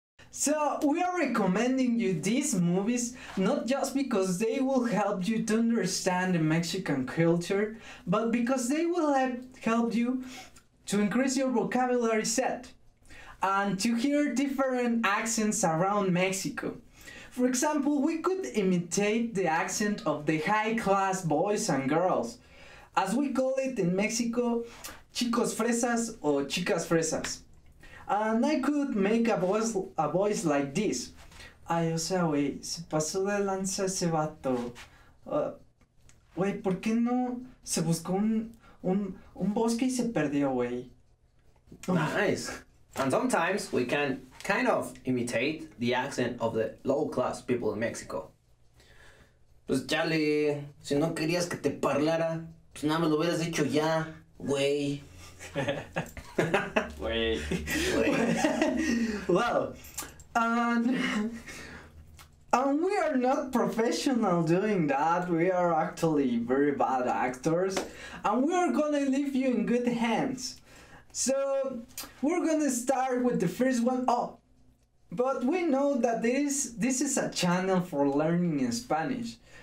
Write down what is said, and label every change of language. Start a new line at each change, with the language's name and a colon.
English: So, we are recommending you these movies not just because they will help you to understand the Mexican culture, but because they will help you to increase your vocabulary set and to hear different accents around Mexico. For example, we could imitate the accent of the high-class boys and girls, as we call it in Mexico,
Spanish: chicos fresas
English: or
Spanish: chicas fresas.
English: And I could make a voice like this.
Spanish: Ay, o sea, güey, se pasó de lanza ese vato. Güey, ¿por qué no se buscó un bosque y se perdió, güey?
English: Nice. And sometimes we can kind of imitate the accent of the low-class people in Mexico.
Spanish: Pues, chale, si no querías que te parlara, pues nada me lo hubieras dicho ya, güey.
English: Well, and we are not professional doing that. We are actually very bad actors, and we are gonna leave you in good hands. So we're gonna start with the first one. Oh, but we know that this is a channel for learning in Spanish.